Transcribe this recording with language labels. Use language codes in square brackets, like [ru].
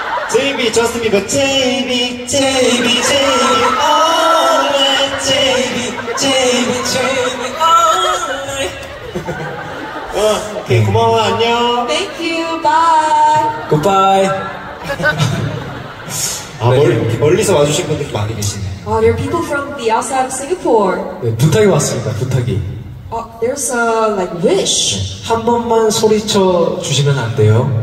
[en] JB, Justin Bieber. JB, JB, JB. All night. JB, JB, JB. All night. [ko] 어, 오케이, 고마워, 안녕. [en] Thank you, bye. Goodbye. [ko] 아, 네. 멀리서 와주신 분들도 많이 계시네. [en] There are people from the outside of Singapore. [ko] 네, 부탁이 왔습니다, 부탁이. [en] There's a, like, wish. [ko] 한 번만 소리쳐 주시면 안 돼요?